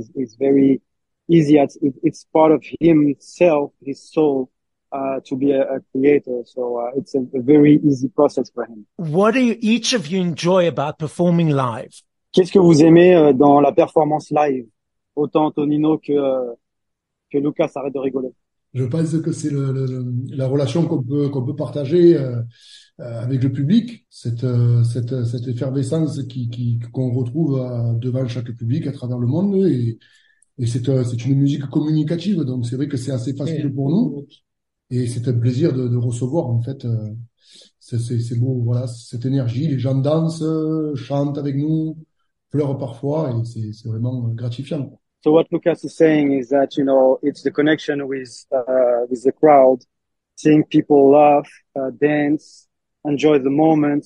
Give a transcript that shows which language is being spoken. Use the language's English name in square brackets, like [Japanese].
[English] It's very easy. It's part of himself, his soul. To be a creator, so it's a very easy process for him. What do you, each of you enjoy about performing live? [French] Qu'est-ce que vous aimez dans la performance live, autant Tonino que Lucas arrête de rigoler. Je pense que c'est la relation qu'on peut partager avec le public, cette effervescence qu'on retrouve devant chaque public à travers le monde, et c'est une musique communicative, donc c'est vrai que c'est assez facile pour nous. Et c'est un plaisir de recevoir, en fait, c'est beau, voilà, cette énergie. Les gens dansent, chantent avec nous, pleurent parfois, et c'est vraiment gratifiant. [English] So what Lucas is saying is that, you know, it's the connection with the crowd, seeing people laugh, dance, enjoy the moment.